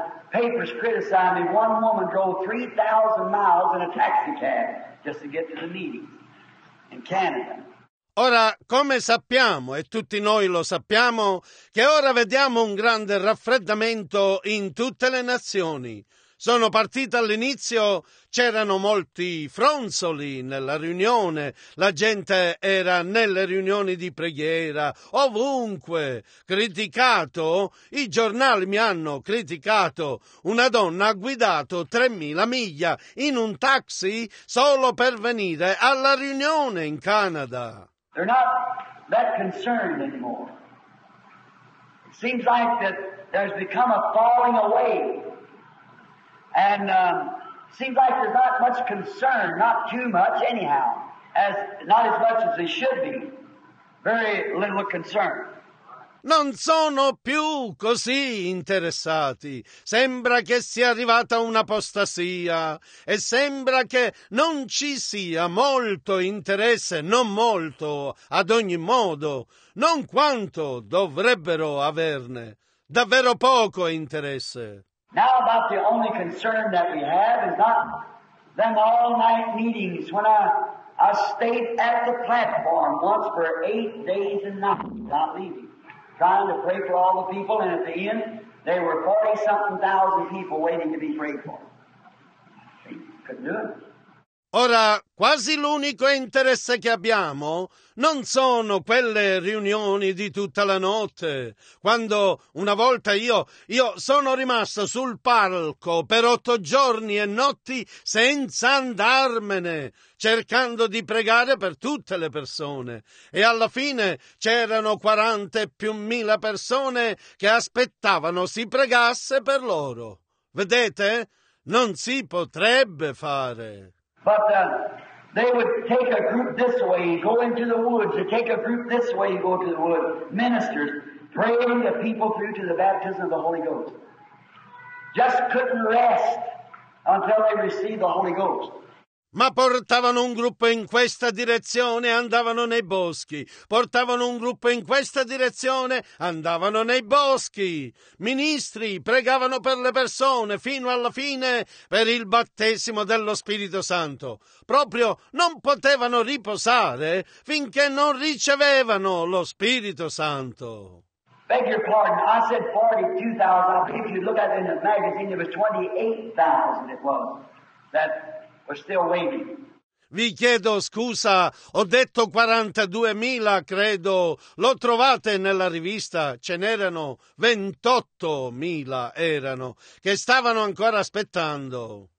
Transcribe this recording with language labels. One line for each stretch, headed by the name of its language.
English: Papers criticized me. One woman drove 3,000 miles in a taxi cab just to get to the meeting in Canada.
Italian: Ora, come sappiamo, e tutti noi lo sappiamo, che ora vediamo un grande raffreddamento in tutte le nazioni. Sono partito all'inizio, c'erano molti fronzoli nella riunione, la gente era nelle riunioni di preghiera, ovunque, criticato, i giornali mi hanno criticato, una donna ha guidato 3.000 miglia in un taxi solo per venire alla riunione in Canada.
English: They're not that concerned anymore. It seems like that there's become a falling away. And seems like there's not much concern, not too much anyhow, as not as much as they should be, very little concern.
Italian: Non sono più così interessati. Sembra che sia arrivata un'apostasia e sembra che non ci sia molto interesse, non molto, ad ogni modo, non quanto dovrebbero averne. Davvero poco interesse.
English: Now about the only concern that we have is not them all night meetings when I stayed at the platform once for 8 days and nights, not leaving, trying to pray for all the people, and at the end there were 40-something thousand people waiting to be prayed for. They couldn't do it.
Italian: Ora, quasi l'unico interesse che abbiamo non sono quelle riunioni di tutta la notte, quando una volta io sono rimasto sul palco per 8 giorni e notti senza andarmene, cercando di pregare per tutte le persone. E alla fine c'erano 40+ persone che aspettavano si pregasse per loro. Vedete? Non si potrebbe fare.
English: But they would take a group this way, go into the woods, they take a group this way, go to the woods, ministers, praying the people through to the baptism of the Holy Ghost. Just couldn't rest until they received the Holy Ghost.
Italian: Ma portavano un gruppo in questa direzione, andavano nei boschi. Portavano un gruppo in questa direzione, andavano nei boschi. Ministri pregavano per le persone fino alla fine per il battesimo dello Spirito Santo. Proprio non potevano riposare finché non ricevevano lo Spirito Santo.
English: Beg your pardon, I said 42,000. If you look at it in the magazine, it was 28,000 it was. We're still waiting.
Italian: Vi chiedo scusa, ho detto 42,000, credo. Lo trovate nella rivista, ce n'erano 28,000 erano, che stavano ancora aspettando.